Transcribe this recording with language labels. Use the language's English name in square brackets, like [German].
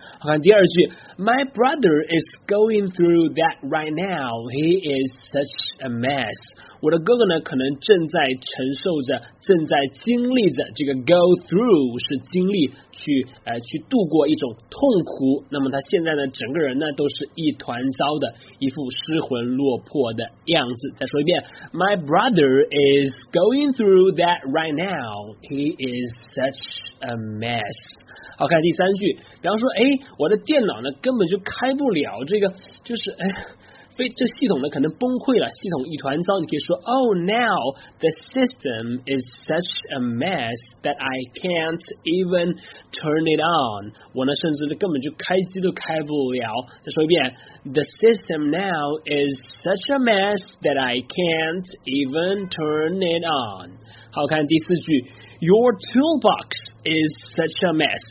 [Chinese] 好，看第二句， [English] My brother is going through that right now. He is such a mess. [Chinese] 我的哥哥呢可能正在承受着，正在经历着，这个 go through 是经历，去度过一种痛苦，那么他现在呢整个人呢都是一团糟的，一副失魂落魄的样子。再说一遍， [English] My brother is going through that right now. He is such a mess. [Chinese] 好，看第三句，比方说我的电脑呢根本就开不了，这个就是这系统呢可能崩溃了，系统一团糟，你可以说 [English] Oh, now the system is such a mess that I can't even turn it on. [Chinese] 我呢甚至根本就开机都开不了。再说一遍， [English] The system now is such a mess that I can't even turn it on. [Chinese] 好，看第四句， [English] Your toolbox is such a mess.